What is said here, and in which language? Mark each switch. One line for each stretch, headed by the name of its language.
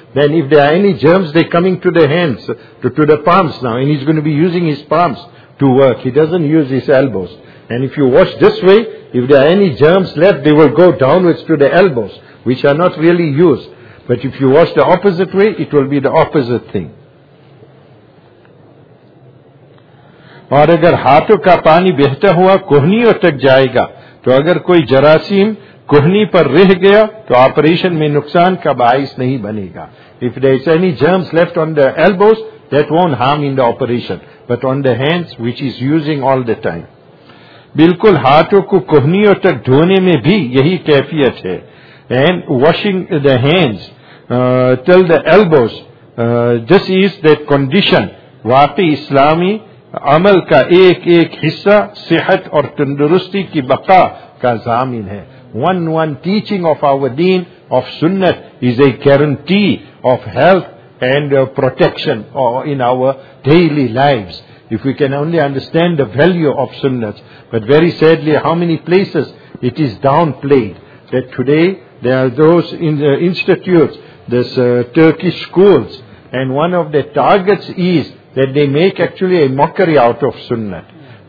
English: Then if there are any germs, they're coming to the hands, to the palms now. And he's going to be using his palms to work. He doesn't use his elbows. And if you wash this way, if there are any germs left, they will go downwards to the elbows, which are not really used. But if you wash the opposite way, it will be the opposite thing.
Hindi: और अगर हाथों का पानी बहता हुआ कोहनियों तक जाएगा तो अगर कोई जरासीम कोहनी पर रह गया तो ऑपरेशन में नुकसान का बाइस नहीं बनेगा.
English: If there is any germs left on the elbows, that won't harm in the operation, but on the hands, which is using all the time.
Hindi: बिल्कुल हाथों को कोहनियों तक धोने में भी यही कैफियत है.
English: And washing the hands till the elbows, this is that condition.
Hindi: वाकई इस्लामी अमल का एक एक हिस्सा सेहत और तंदुरुस्ती की बका का जामिन है.
English: One teaching of our deen of sunnah is a guarantee of health and protection in our daily lives. If we can only understand the value of sunnah. But very sadly, how many places it is downplayed, that today there are those in the institutes, this Turkish schools, and one of the targets is that they make actually a mockery out of sunnah.